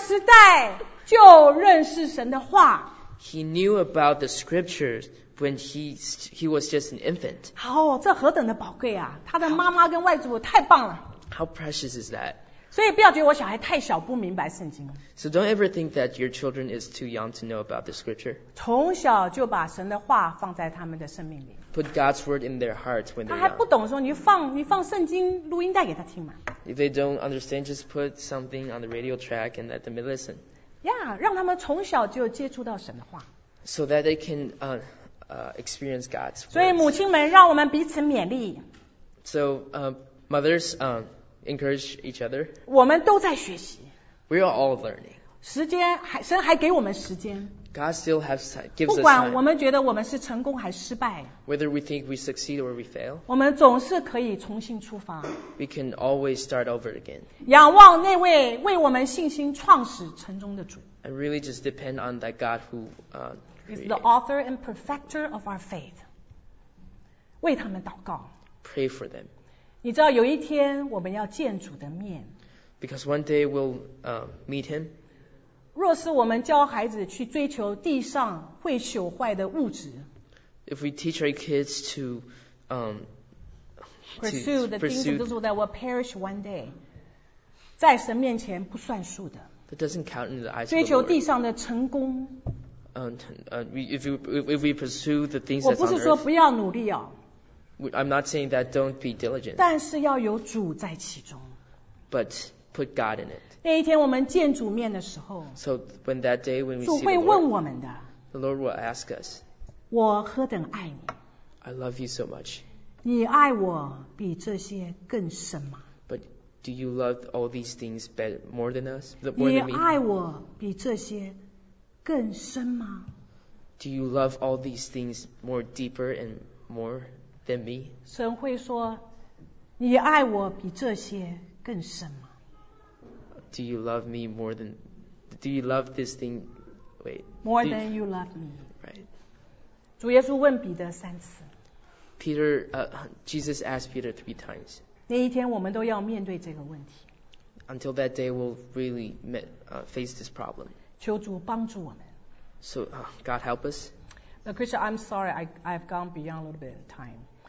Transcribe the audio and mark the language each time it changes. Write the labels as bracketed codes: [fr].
[zh] 从婴儿时代就认识神的话。 [en] He knew about the scriptures when he was just an infant. [zh] 好，这何等的宝贵啊！他的妈妈跟外祖母太棒了。 [en] How precious is that? [zh] 所以不要觉得我小孩太小不明白圣经。 [en] So don't ever think that your children is too young to know about the scripture. [zh] 从小就把神的话放在他们的生命里。 [en] Put God's word in their hearts when they're young. [zh] 他还不懂说你放圣经录音带给他听嘛。 [en] If they don't understand, just put something on the radio track and let them listen. [zh] Yeah, 让他们从小就接触到神的话。 [en] So that they can experience God's word. [zh] 所以母亲们让我们彼此勉励。 [en] So mothers, encourage each other. [zh] 我们都在学习。 [en] We are all learning. [zh] 神还给我们时间。 [en] God still gives us time. [zh] 不管我们觉得我们是成功还失败。 [en] Whether we think we succeed or we fail. [zh] 我们总是可以重新出发。 [en] We can always start over again. [zh] 仰望那位为我们信心创始成终的主。 [en] And really just depend on that God who is the author and perfecter of our faith. [zh] 为他们祷告。 [en] Pray for them. [zh] 你知道有一天我们要见主的面。 [en] Because one day we'll meet him. [zh] 若是我们教孩子去追求地上会朽坏的物质。 [en] If we teach our kids to pursue the things that will perish one day. [zh] 在神面前不算数的。 [en] That doesn't count in the eyes of the Lord. [zh] 追求地上的成功。 [en] If we pursue the things that's on earth, [zh] 我不是说不要努力, [en] I'm not saying that don't be diligent. [zh] 但是要有主在其中, [en] but put God in it. [zh] 那一天我们见主面的时候, [en] so when that day when we [zh] 主会问我们的, [en] see the Lord, the Lord will ask us, [zh] 我何等爱你? [en] I love you so much. [zh] 你爱我比这些更深吗? [en] But do you love all these things better, more than us? More than me? [zh] 你爱我比这些更深吗? [en] Do you love all these things more deeper and more than me? [zh] 神会说, 你爱我比这些更深吗? [en] Do you love me more than... Do you love this thing... Wait. More than you love me. Right. [zh] 主耶稣问彼得三次。 [en] Peter, Jesus asked Peter three times. [zh] 那一天我们都要面对这个问题。 [en] Until that day, we'll really face this problem. [zh] 求主帮助我们。 [en] So, God help us. But Krisha, I'm sorry, I've gone beyond a little bit of time.